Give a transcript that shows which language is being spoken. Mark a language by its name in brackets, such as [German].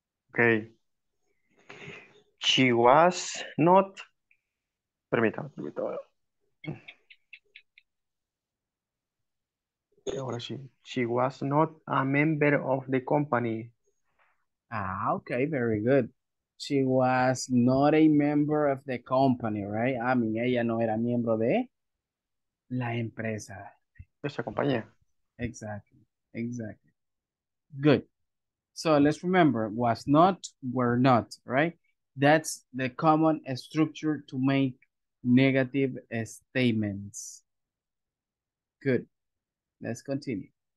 [English] Okay. She was not. [Spanish] Permítame. Ahora sí. [English] She was not a member of the company. Ah, okay, very good. She was not a member of the company, right? I mean, [Spanish] ella no era miembro de la empresa. Esa compañía. [English] Exactly. Good. So let's remember, was not, were not, right? That's the common structure to make negative statements. Good. Let's continue.